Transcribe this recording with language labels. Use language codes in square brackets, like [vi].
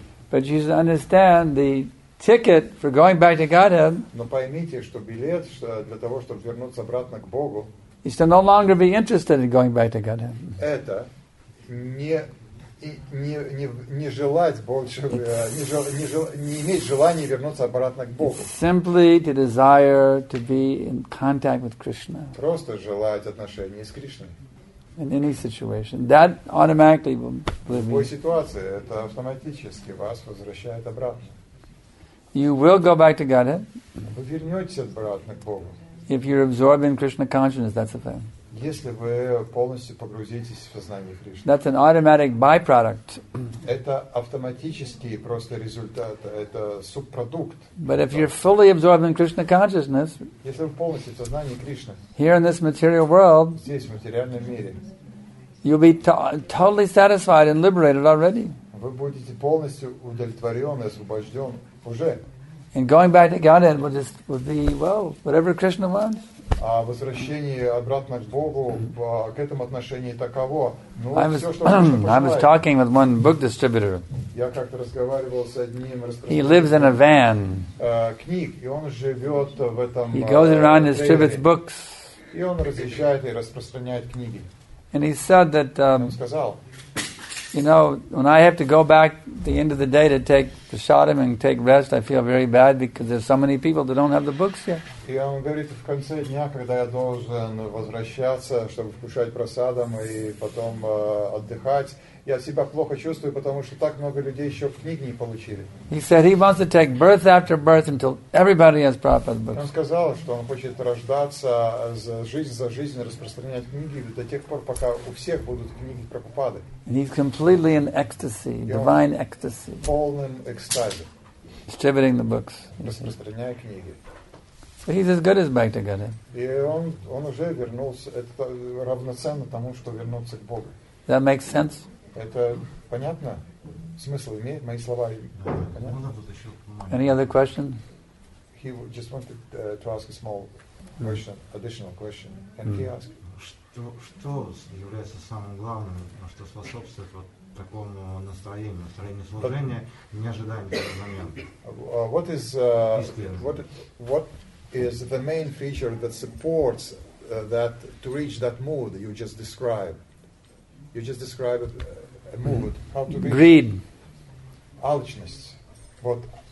[en] But you should understand the ticket for going back to God. [ru] Но поймите, что билет для того, чтобы вернуться обратно к Богу, [en] is to no longer be interested in going back to God. [ru] Это не желать больше, не иметь желания вернуться обратно к Богу. [en] Simply to desire to be in contact with Krishna. [ru] Просто желать отношений с Кришной. [en] In any situation, that automatically will bring. [ru] В любой ситуации это автоматически вас возвращает обратно. [en] You will go back to Godhead. [ru] Вы вернетесь обратно к Богу. [en] If you're absorbed in Krishna consciousness, that's a thing. [ru] Если вы полностью погрузитесь в сознание Кришны. [en] That's an automatic byproduct. [ru] Это автоматический просто результат, это субпродукт. [en] But if you're fully absorbed in Krishna consciousness, [ru] если вы полностью в сознании Кришны, [en] here in this material world, [ru] здесь, в материальном мире, [en] You'll be totally satisfied and liberated already. [ru] Вы будете полностью удовлетворен и освобожден уже. [en] And going back to Godhead will just will be well, whatever Krishna wants. [ru] А возвращение обратно к Богу к этому отношению таково. Ну, [en] I was, [ru] все, что [en] I was talking with one book distributor. [ru] Я как-то разговаривал с одним распространителем. [en] He lives in a van. [ru] Книг, и он живет в этом. [en] He goes around and distributes books. [ru] И он разъезжает и распространяет книги. [en] And he said that. [ru] Сказал. [en] You know, when I have to go back at the end of the day to take the shatam and take rest, I feel very bad because there's so many people that don't have the books yet. [ru] И он говорит, в конце дня, когда я должен возвращаться, чтобы вкушать просадам и потом отдыхать, я себя плохо чувствую, потому что так много людей еще книг не получили. [en] He said he wants to take birth after birth until everybody has Prabhupada's books. [ru] Он сказал, что он хочет рождаться за жизнь распространять книги до тех пор, пока у всех будут книги Прабхупады. [en] He's completely in ecstasy, divine ecstasy. [ru] В полном экстазе. [en] Distributing the books. [ru] Распространяя книги. [en] But he's as good as back to Godhead. Does that make sense? [ru] Это понятно? Смысл имеет? Мои слова понятны? [en] Any other question? He just wanted to ask a small question, additional question. And he asked. [ru] Что является самым главным, что способствует вот такому настроению служения, не ожидаем этого момента? [en] What is what is the main feature that supports that to reach that mood you just described? You just described a mood. How to reach? Greed. [ru] Алчность. Вот.